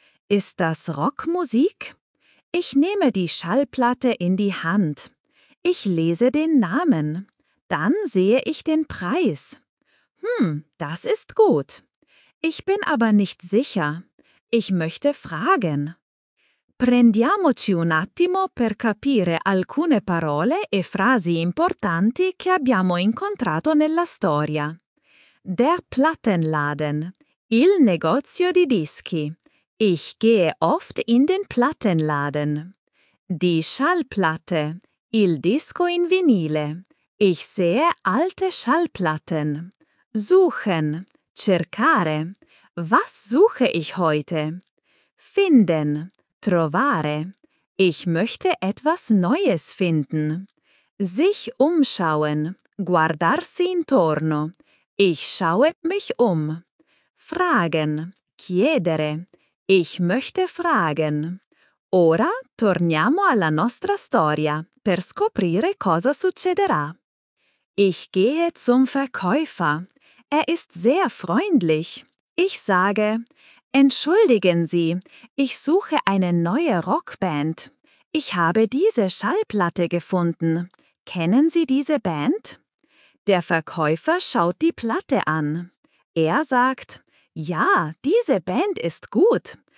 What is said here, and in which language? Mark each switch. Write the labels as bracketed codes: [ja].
[de] Ist das Rockmusik? Ich nehme die Schallplatte in die Hand. Ich lese den Namen. Dann sehe ich den Preis. Das ist gut. Ich bin aber nicht sicher. Ich möchte fragen. [it] Prendiamoci un attimo per capire alcune parole e frasi importanti che abbiamo incontrato nella storia. [de] Der Plattenladen. [it] Il negozio di dischi. [de] Ich gehe oft in den Plattenladen. Die Schallplatte. [it] Il disco in vinile. [de] Ich sehe alte Schallplatten. Suchen. [it] Cercare. [de] Was suche ich heute? Finden. [it] Trovare. [de] Ich möchte etwas Neues finden. Sich umschauen. [it] Guardarsi intorno. [de] Ich schaue mich um. Fragen. [it] Chiedere. [de] Ich möchte fragen. [it] Ora torniamo alla nostra storia per scoprire cosa succederà. [de] Ich gehe zum Verkäufer. Er ist sehr freundlich. Ich sage, entschuldigen Sie, ich suche eine neue Rockband. Ich habe diese Schallplatte gefunden. Kennen Sie diese Band? Der Verkäufer schaut die Platte an. Er sagt, ja, diese Band ist gut.